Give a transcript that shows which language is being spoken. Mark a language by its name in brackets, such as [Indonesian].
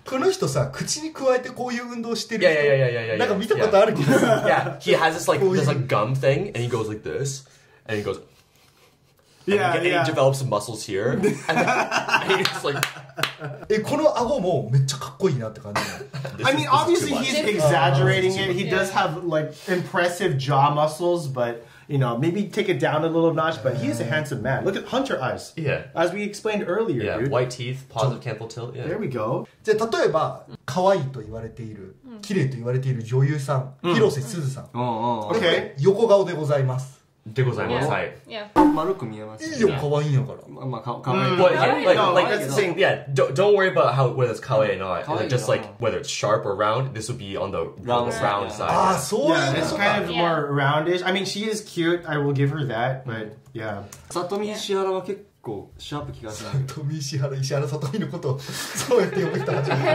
[Japanese] この人さ、口にくわえてこういう運動してる人。 [English] Yeah. [Japanese] なんか見たことあるけど。 [English] Yeah. He has this like gum thing, and he goes like this, and he goes. Yeah. He develops some muscles here, and he's like. [Japanese] え、この顎もめっちゃかっこいいなって感じ。 [English] I mean, obviously he's exaggerating it. He does have like impressive jaw muscles, but you know, maybe take it down a little notch. But he is a handsome man. Look at Hunter eyes. Yeah. As we explained earlier, yeah, dude. White teeth, positive canthal tilt. Yeah. There we go. [Japanese] じゃあ例えば可愛いと言われている、綺麗と言われている女優さん、広瀬すずさん。 [English] Okay. [Japanese] 横顔でございます。でございます。はい。丸く見えます。いいよ、可愛いんやから。まあ、可愛い。 [English] But like that's the thing. Yeah. Don't worry about how whether it's kawaii or not. Just like whether it's sharp or round, this would be on the round side. Ah, so yeah, it's kind of more roundish. I mean, she is cute. I will give her that. But yeah. [Japanese] Satomi Ishihara は結構シャープ気がする。 Satomi Ishihara、Ishihara Satomi のことそうやって呼ぶ人たち。